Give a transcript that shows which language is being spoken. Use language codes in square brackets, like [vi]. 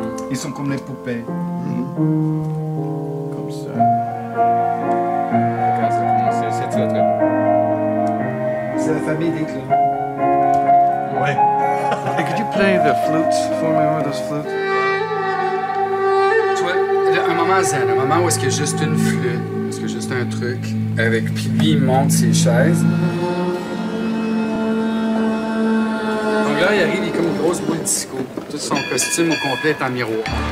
[fr] Ils sont comme les poupées. Comme ça. Quand ça a commencé, c'est très très beau. C'est la famille des clowns. Oui. [en] Hey, could you play the flute for me, one of those flutes? [fr] Toi, un moment. moment zen, un moment où est-ce qu'il y a juste une flûte, où est-ce qu'il y a juste un truc. Avec, puis lui, il monte ses chaises. Donc là, il arrive, il est comme une grosse boule disco. Tout son costume au complet est en miroir.